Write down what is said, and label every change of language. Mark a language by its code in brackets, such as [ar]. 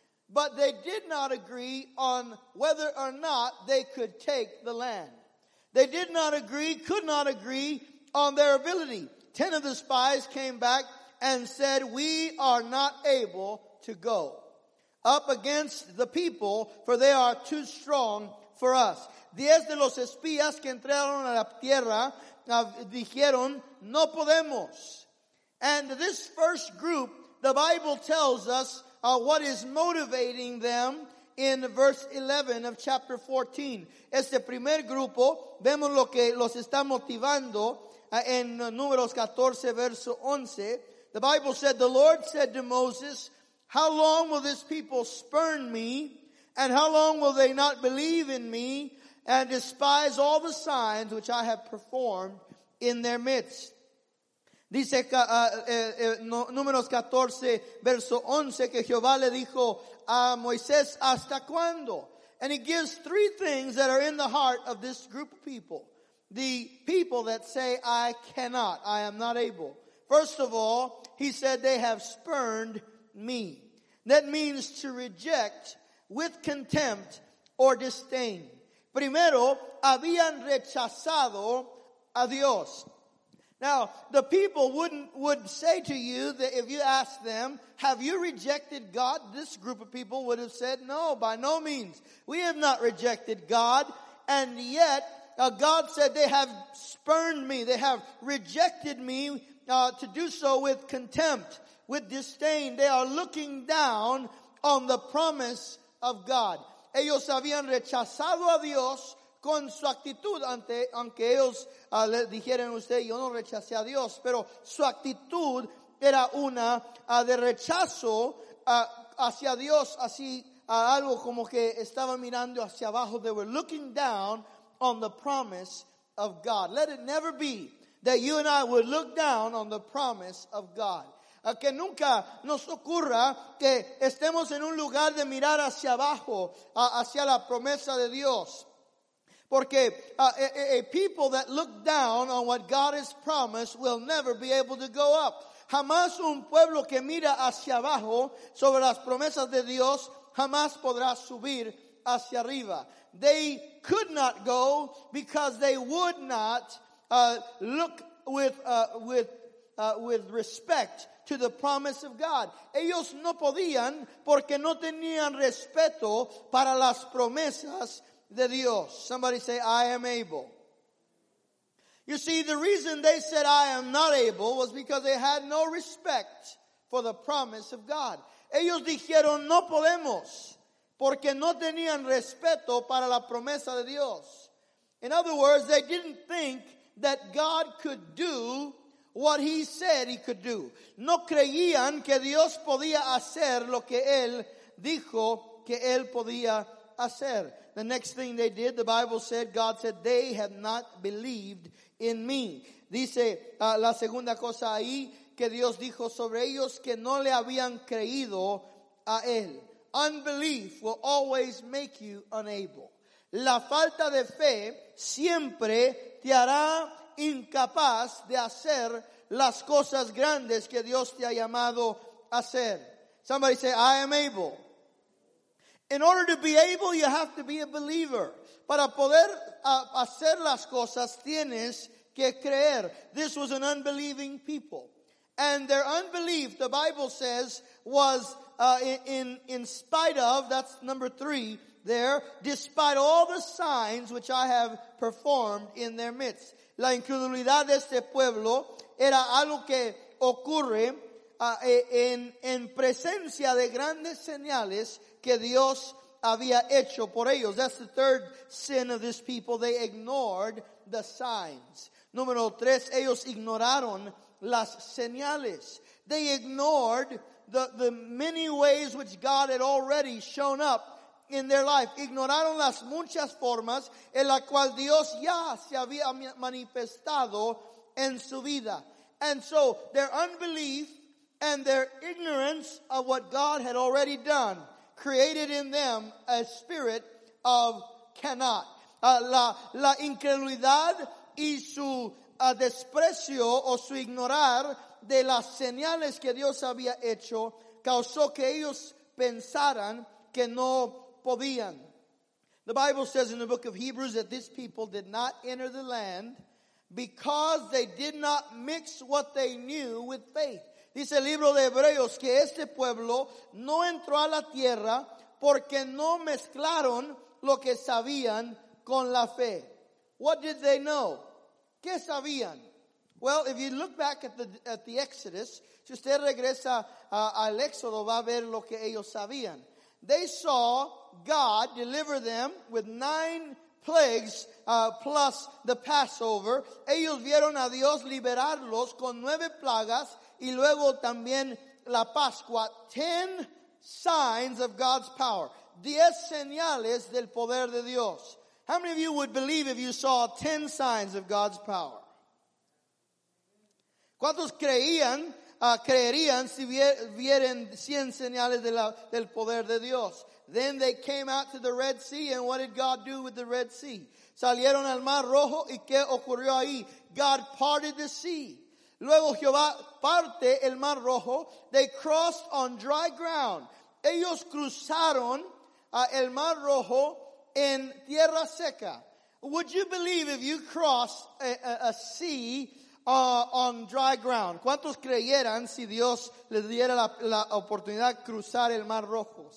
[en] But they did not agree on whether or not they could take the land. They did not agree, could not agree on their ability. 10 of the spies came back and said, "We are not able to go up against the people, for they are too strong for us." [es] 10 de los espías que entraron a la tierra dijeron, "No podemos." [en] And this first group, the Bible tells us what is motivating them in verse 11 of chapter 14. [es] Este primer grupo, vemos lo que los está motivando en Números 14, verso 11. [en] The Bible said, "The Lord said to Moses, 'How long will this people spurn me? And how long will they not believe in me and despise all the signs which I have performed in their midst?'" [es] Dice Números 14, verso 11, que Jehová le dijo a Moisés, "¿Hasta cuándo?" [en] And he gives three things that are in the heart of this group of people. The people that say, "I cannot, I am not able." First of all, he said, "They have spurned me." That means to reject with contempt or disdain. [es] Primero, habían rechazado a Dios. [en] Now, the people would say to you that if you ask them, "Have you rejected God?" This group of people would have said, "No, by no means. We have not rejected God." And yet, God said, "They have spurned me. They have rejected me," to do so with contempt, with disdain. They are looking down on the promise of God. [es] Ellos habían rechazado a Dios con su actitud ante, aunque ellos le dijeran a usted, "Yo no rechacé a Dios." Pero su actitud era una de rechazo hacia Dios. Así, algo como que estaba mirando hacia abajo. [en] They were looking down on the promise of God. Let it never be that you and I would look down on the promise of God. [es] Que nunca nos ocurra que estemos en un lugar de mirar hacia abajo, hacia la promesa de Dios. Porque [en] a people that look down on what God has promised will never be able to go up. [es] Jamás un pueblo que mira hacia abajo sobre las promesas de Dios jamás podrá subir hacia arriba. [en] They could not go because they would not look with respect to the promise of God. [es] Ellos no podían porque no tenían respeto para las promesas de Dios. [en] Somebody say, "I am able." You see, the reason they said, "I am not able," was because they had no respect for the promise of God. [es] Ellos dijeron, "No podemos," porque no tenían respeto para la promesa de Dios. [en] In other words, they didn't think that God could do what he said he could do. [es] No creían que Dios podía hacer lo que él dijo que él podía hacer. [en] The next thing they did, the Bible said, God said, "They have not believed in me." [es] Dice la segunda cosa ahí, que Dios dijo sobre ellos que no le habían creído a él. [en] Unbelief will always make you unable. [es] La falta de fe siempre te hará incapaz de hacer las cosas grandes que Dios te ha llamado a hacer. [en] Somebody say, "I am able." In order to be able, you have to be a believer. [es] Para poder hacer las cosas, tienes que creer. [en] This was an unbelieving people. And their unbelief, the Bible says, was in spite of, that's number three there, despite all the signs which I have performed in their midst. [es] La incredulidad de este pueblo era algo que ocurre en presencia de grandes señales que Dios había hecho por ellos. [en] That's the third sin of this people. They ignored the signs. [es] Número tres, ellos ignoraron las señales. [en] They ignored the many ways which God had already shown up in their life. [es] Ignoraron las muchas formas en las cuales Dios ya se había manifestado en su vida. [en] And so their unbelief and their ignorance of what God had already done created in them a spirit of cannot. [es] La incredulidad y su desprecio o su ignorar de las señales que Dios había hecho causó que ellos pensaran que no podían. [en] The Bible says in the book of Hebrews that this people did not enter the land because they did not mix what they knew with faith. [es] Dice el libro de Hebreos que este pueblo no entró a la tierra porque no mezclaron lo que sabían con la fe. [en] What did they know? [es] ¿Qué sabían? [en] Well, if you look back at the Exodus, [es] si usted regresa al Éxodo, va a ver lo que ellos sabían. [en] They saw God deliver them with 9 plagues plus the Passover. [es] Ellos vieron a Dios liberarlos con 9 plagas y luego también la Pascua. [en] 10 signs of God's power. [es] 10 señales del poder de Dios. [en] How many of you would believe if you saw 10 signs of God's power? [es] ¿Cuántos creerían si vieran 100 señales del poder de Dios? [en] Then they came out to the Red Sea, and what did God do with the Red Sea? [es] Salieron al Mar Rojo, ¿y qué ocurrió ahí? [en] God parted the sea. [es] Luego Jehová parte el Mar Rojo. [en] They crossed on dry ground. [es] Ellos cruzaron el Mar Rojo en tierra seca. [en] Would you believe if you cross a sea on dry ground? [es] ¿Cuántos creyeran si Dios les diera la oportunidad de cruzar el Mar Rojo?